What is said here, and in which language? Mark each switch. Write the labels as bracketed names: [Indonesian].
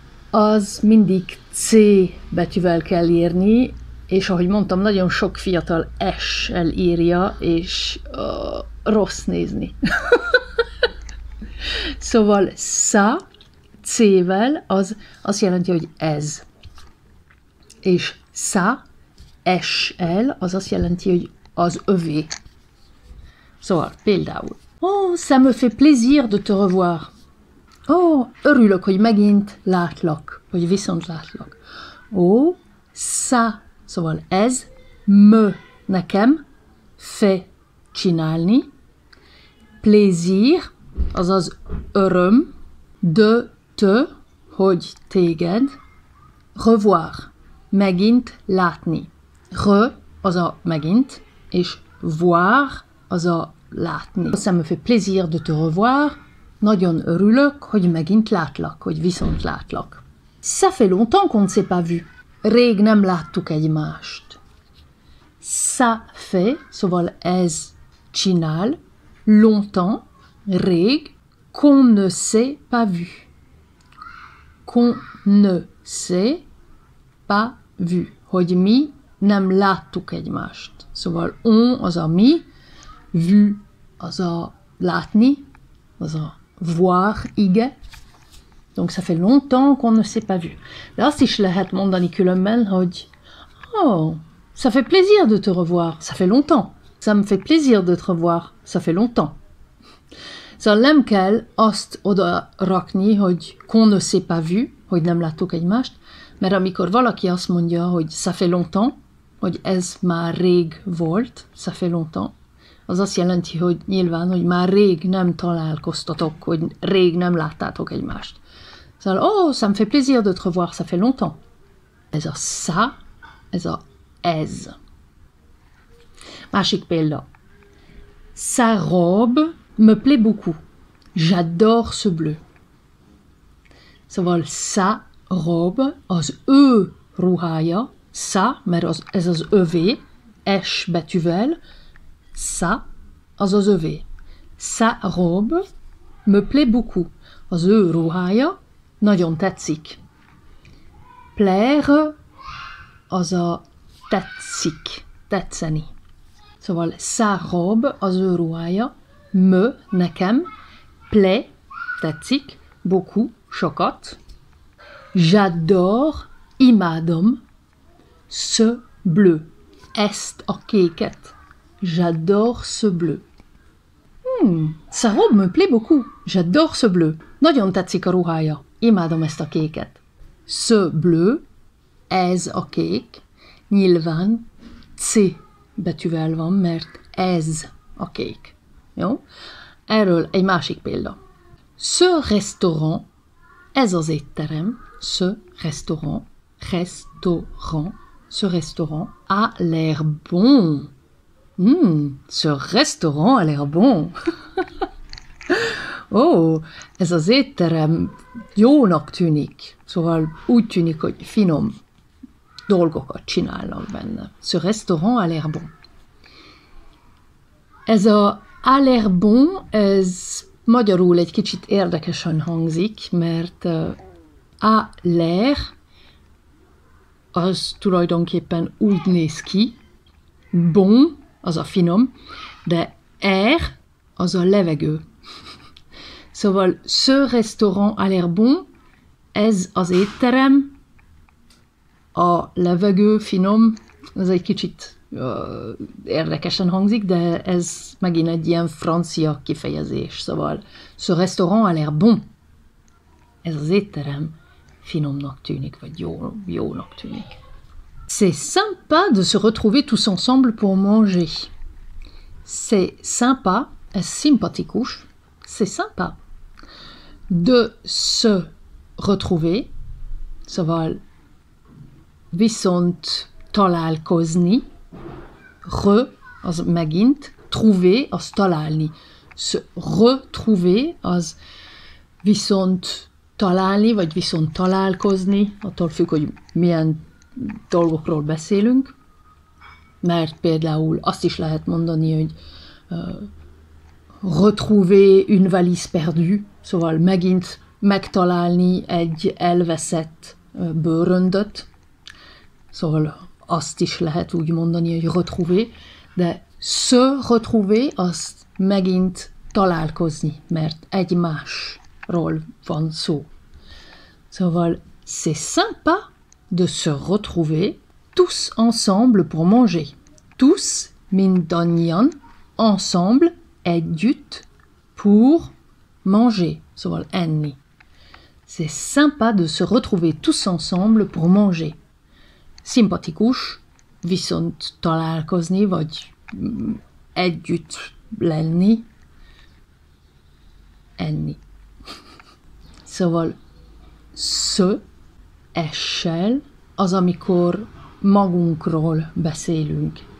[Hungarian] Az mindig C betűvel kell írni, és ahogy mondtam, nagyon sok fiatal S-el írja, és rossz nézni. Szóval ça, C-vel, az azt jelenti, hogy ez. És ça, S-el, az azt jelenti, hogy az övé. Szóval, például. [French] Oh, ça me fait plaisir de te revoir. [Hungarian] Oh, örülök, hogy megint látlak, hogy viszont látlak. Oh, ça, szóval ez, me, nekem, fait, csinálni, plaisir, azaz öröm, [French] de te, [Hungarian] hogy téged, revoir, megint látni. Re, az a megint, és voir, az a látni. [French] Ça me fait plaisir de te revoir, [Hungarian] nagyon örülök, hogy megint látlak, hogy viszont látlak. [French] Ça fait longtemps qu'on ne s'est pas vu. [Hungarian] Rég nem láttuk egymást. [French] Ça fait, [Hungarian] szóval ez csinál, longtemps, rég, [French] qu'on ne s'est pas vu. Qu'on ne s'est pas vu, [Hungarian] hogy mi nem láttuk egymást. Szóval on az a mi, vu az a látni, az a voir, igen. [French] Donc ça fait longtemps qu'on ne s'est pas vu. [Hungarian] De azt is lehet mondani különben, hogy [French] oh, ça fait plaisir de te revoir, ça fait longtemps. Ça me fait plaisir de te revoir, ça fait longtemps. [Hungarian] Szóval nem kell azt oda rakni, hogy [French] qu'on ne s'est pas vu, [Hungarian] hogy nem láttuk egymást, mert amikor valaki azt mondja, hogy [French] ça fait longtemps, [Hungarian] hogy ez már rég volt, ça fait longtemps, az azt jelenti, hogy nyilván, hogy már rég nem találkoztatok, hogy rég nem láttátok egymást. Szóval, [French] oh, ça me fait plaisir de te revoir, ça fait longtemps. [Hungarian] Ez a ça, ez a ez. Másik példa. [French] Sa robe me plaît beaucoup. J'adore ce bleu. [Hungarian] Szóval [French] sa robe, [Hungarian] az ő ruhája, sa, mert az, ez az övé, es betűvel, sa, az az övé. [French] Sa robe me plaît beaucoup. [Hungarian] Az ő ruhája nagyon tetszik. Plaire, az a tetszik, tetszeni. Szóval [French] sa robe, [Hungarian] az ő ruhája, me, nekem, plaît, tetszik, beaucoup, sokat. J'adore, imádom, [French] ce bleu, [Hungarian] ezt a kéket. [French] J'adore ce bleu. Sa robe me plaît beaucoup. J'adore ce bleu. [Hungarian] Nagyon tetszik a ruhája. Imádom ezt a kéket. [French] Ce bleu, [Hungarian] ez a kék, nyilván C betűvel van, mert ez a kék. Jó? Erről egy másik példa. [French] Ce restaurant, [Hungarian] ez az étterem, ce restaurant, restaurant, [French] ce restaurant a l'air bon. Ce restaurant a l'air bon. [Hungarian] Oh, ez az étterem jónak tűnik. Szóval úgy tűnik, hogy finom dolgokat csinálnak benne. [French] Ce restaurant a l'air bon. [Hungarian] Ez a [French] a l'air bon, [Hungarian] ez magyarul egy kicsit érdekesen hangzik, mert a l'air, az tulajdonképpen úgy néz ki, bon, az a finom, de air, az a levegő. Szóval, [French] ce restaurant a l'air bon, [Hungarian] ez az étterem, a levegő finom, ez egy kicsit érdekesen hangzik, de ez megint egy ilyen francia kifejezés. Szóval, [French] ce restaurant a l'air bon, [Hungarian] ez az étterem finomnak tűnik, vagy jónak tűnik. [French] C'est sympa de se retrouver tous ensemble pour manger. C'est sympa, [Hungarian] ez szimpatikus, [French] c'est sympa. [Hungarian] De [French] se retrouver, [Hungarian] szóval viszont találkozni, re, az megint, trouver, az találni. [French] Se retrouver, [Hungarian] az viszont találni, vagy viszont találkozni, attól függ, hogy milyen dolgokról beszélünk, mert például azt is lehet mondani, hogy [French] retrouver une valise perdue, [Hungarian] szóval megint megtalálni egy elveszett bőröndöt, szóval azt is lehet úgy mondani, hogy retrouver, de [French] se retrouver, [Hungarian] azt megint találkozni, mert egymásról van szó. [French] Szóval, c'est sympa de se retrouver tous ensemble pour manger. [Hungarian] Tous, mindannyian, ensemble, együtt, [French] pour manger. [Hungarian] Szóval, enni. [French] C'est sympa de se retrouver tous ensemble pour manger. [Hungarian] Szimpatikus, viszont találkozni, vagy együtt lenni, enni. Szóval, se, essel, az amikor magunkról beszélünk.